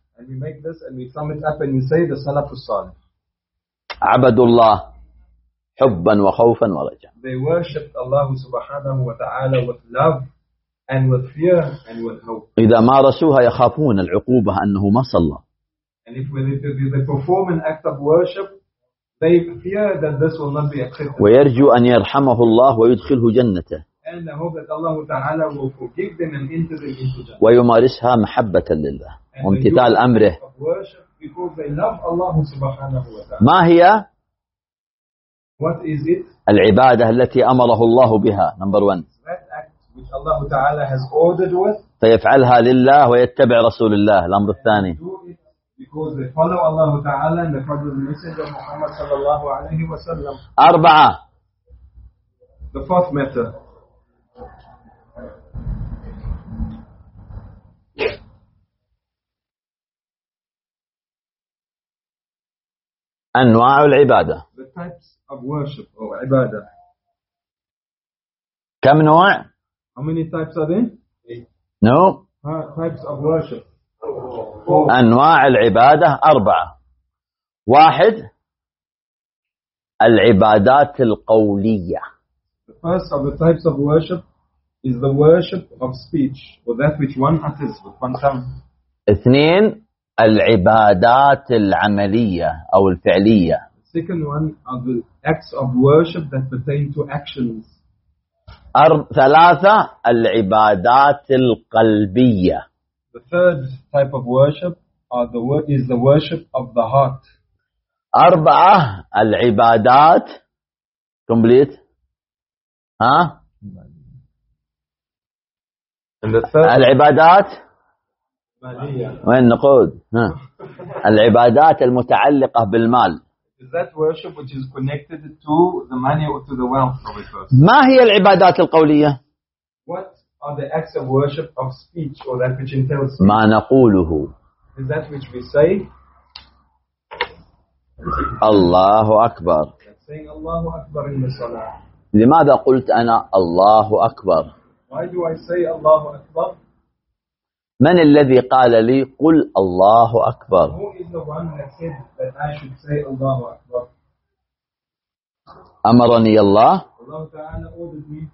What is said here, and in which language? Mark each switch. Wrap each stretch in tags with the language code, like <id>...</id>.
<en>And we make this and we sum it up and we say the Salaf الصالح.</en> <ar>عبد الله حبا وخوفا ورجاء.</ar> <en>They worship Allah سبحانه وتعالى with love and with fear and with hope.</en> <ar>إذا مارسوها يخافون العقوبة أنه ما صلى.</ar> <en>And if they perform an act of worship, they fear that this will not be accepted.</en> <ar>ويرجو أن يرحمه الله ويدخله جنته.</ar> <en>And I hope that Allah تعالى will forgive them and enter them into Jannah.</en> <ar>ويمارسها محبة لله وامتثال أمره.</ar> <en>Because they love Allah سبحانه وتعالى.</en> <ar>ما هي؟</ar> <en>What is it?</en> <ar>العبادة التي أمره الله بها.</ar> <en>Number one. That act which Allah تعالى has ordered with.</en> <ar>فيفعلها لله ويتبع رسول الله. الأمر الثاني.</ar> <en>Because they follow Allah Ta'ala and they follow the Messenger of Muhammad sallallahu alayhi wa sallam.</en> <ar>أربعة.</ar> <en>The fourth matter.</en> <ar>أنواع العبادة.</ar> <en>The types of worship or عبادة.</en> <ar>كم نوع؟</ar> <en>How many types are there? No. Types of worship.</en> <ar>أنواع العبادة أربعة. واحد، العبادات القولية.</ar> <en>The first of the types of worship is the worship of speech, or that which one utters with one tongue.</en> <ar>اثنين، العبادات العملية أو الفعلية.</ar> <en>The second one are the acts of worship that pertain to actions.</en> <ar>ثلاثة، العبادات القلبية.</ar> <en>The third type of worship are the word is the worship of the heart.</en> <ar>أربعة العبادات complete.</ar> <en>And the third</en> <ar>العبادات مالية. وين نقود؟ العبادات المتعلقة بالمال.</ar> <en>Is that worship which is connected to the money or to the wealth of a person?</en> <ar>ما هي العبادات القولية؟</ar> <en>What are the acts of worship of speech or that which entails speech?</en> <ar>ما نقوله.</ar> <en>Is that which we say?</en> <ar>الله أكبر.</ar> <en>That's saying</en> <ar>الله أكبر</ar> <en>in the salah.</en> <ar>لماذا قلت أنا الله أكبر؟</ar> <en>Why do I say</en> <ar>الله أكبر؟ من الذي قال لي قل الله أكبر؟</ar> <en>Who is the one that said that I should say</en> <ar>الله أكبر؟ أمرني الله.</ar> <en>الله تعالى ordered me.</en>